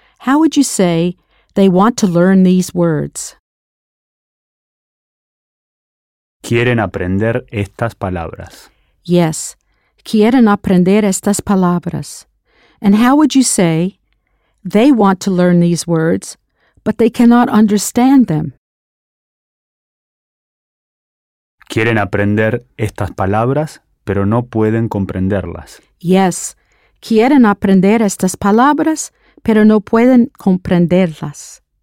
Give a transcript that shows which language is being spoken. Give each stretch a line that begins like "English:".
English: How would you say they want to learn these words?
Spanish: Quieren aprender estas palabras.
English: Yes,
Spanish: quieren aprender estas palabras.
English: And how would you say they want to learn these words, but they cannot understand them?
Spanish: Quieren aprender estas palabras, pero no pueden comprenderlas.
English: Yes,
Spanish: quieren aprender estas palabras, pero no pueden comprenderlas.